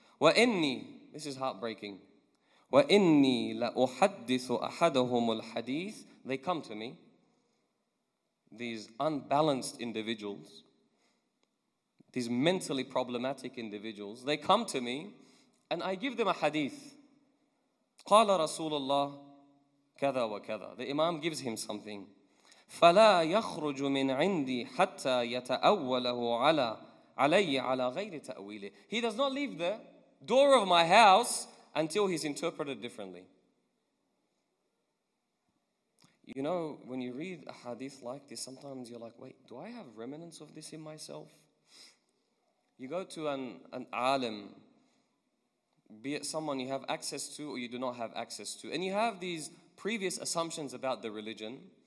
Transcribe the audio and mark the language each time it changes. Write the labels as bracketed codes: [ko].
[ar] وإني, [en] this is heartbreaking, [ar] وإني لأحدث أحدهم الحديث, [en] they come to me, these unbalanced individuals, these mentally problematic individuals, they come to me and I give them a hadith. [ar] قال رسول الله كذا وكذا. [en] The Imam gives him something. [ar] فلا يخرج من عندي حتى يتأوله على علي على غير تأويله. [en] He does not leave the door of my house until he's interpreted differently. You know, when you read a hadith like this, sometimes you're like, wait, do I have remnants of this in myself? You go to an alim, be it someone you have access to or you do not have access to, and you have these previous assumptions about the religion.